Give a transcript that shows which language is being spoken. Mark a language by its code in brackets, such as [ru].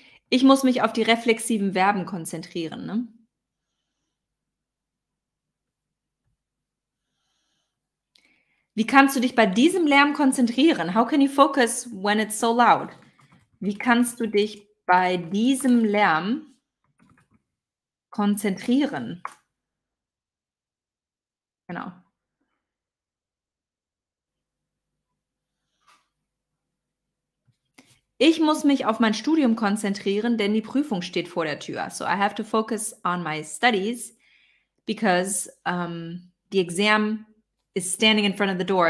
[de] Ich muss mich auf die reflexiven Verben konzentrieren, ne? Wie kannst du dich bei diesem Lärm konzentrieren? [en] How can you focus when it's so loud? [de] Wie kannst du dich bei diesem Lärm konzentrieren? Genau. Ich muss mich auf mein Studium konzentrieren, denn die Prüfung steht vor der Tür. [en] So I have to focus on my studies because the exam is standing in front of the door.